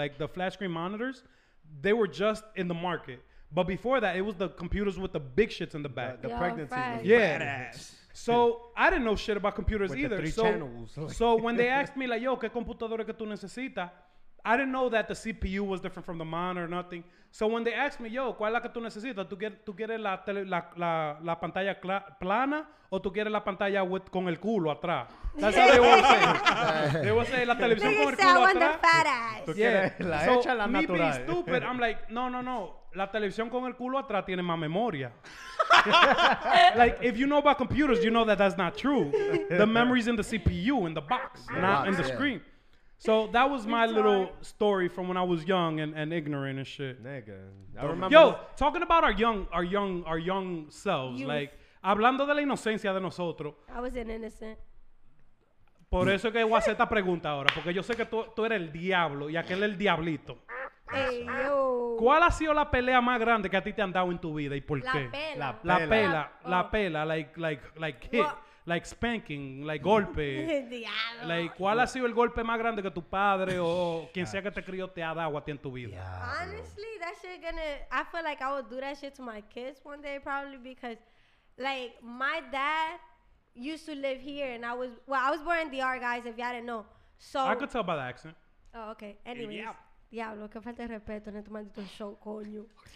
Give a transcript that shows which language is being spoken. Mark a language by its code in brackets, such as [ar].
[en] Like, the flash screen monitors, they were just in the market. But before that, it was the computers with the big shits in the back. The pregnancy. Yeah. So, I didn't know shit about computers either. With the three channels. So, when they asked me, like, yo, ¿qué computadora que tú necesitas? I didn't know that the CPU was different from the monitor or nothing. So when they asked me, yo, ¿cuál es la que tú necesitas? [es] ¿Tú quieres la pantalla plana o tú quieres la pantalla con el culo atrás? [en] That's how they would say. They would say la televisión con el culo atrás. Yeah. So [es] la [en] me being stupid, I'm like, no. [es] La televisión con el culo atrás tiene más memoria. [en] Like, if you know about computers, you know that that's not true. The memory's in the CPU, in the box, not in the screen. So that was my little story from when I was young and ignorant and shit. Nigga. Talking about our young selves, like, hablando de la inocencia de nosotros. I was an innocent. [es] Por eso que voy a hacer esta pregunta ahora, porque yo sé que tú eres el diablo y aquel el diablito. [en] Hey, yo. [es] ¿Cuál ha sido la pelea más grande que a ti te han dado en tu vida y por qué? La pela, [en] like hit. Well, like spanking, like golpe. [es] Diablo. Like, ¿cuál ha sido el golpe más grande que tu padre o quien sea que te crió te ha dado a ti en tu vida? [en] Yeah. Honestly, that shit gonna... I feel like I would do that shit to my kids one day probably because, like, my dad used to live here and I was... Well, I was born in DR, guys, if y'all didn't know. So I could tell by the accent. Oh, okay. Anyways. Yeah. [es] Diablo, qué falta de respeto en este maldito show, coño.